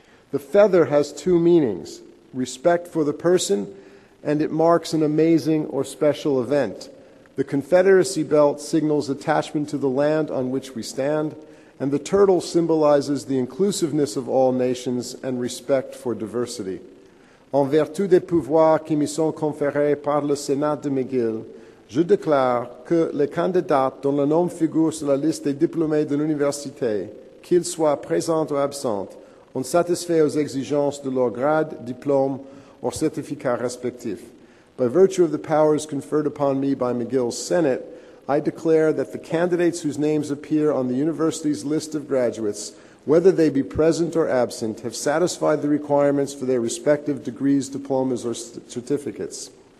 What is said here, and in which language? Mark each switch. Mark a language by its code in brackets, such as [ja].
[en] The feather has two meanings: respect for the person, and it marks an amazing or special event. The Confederacy belt signals attachment to the land on which we stand, and the turtle symbolizes the inclusiveness of all nations and respect for diversity. [fr] En vertu des pouvoirs qui me sont conférés par le Sénat de McGill, je déclare que les candidats dont le nom figure sur la liste des diplômés de l'université, qu'ils soient présents ou absents, ont satisfait aux exigences de leur grade, diplôme, or certificat respectif. [en] By virtue of the powers conferred upon me by McGill's Senate, I declare that the candidates whose names appear on the university's list of graduates, whether they be present or absent, have satisfied the requirements for their respective degrees, diplomas, or certificates.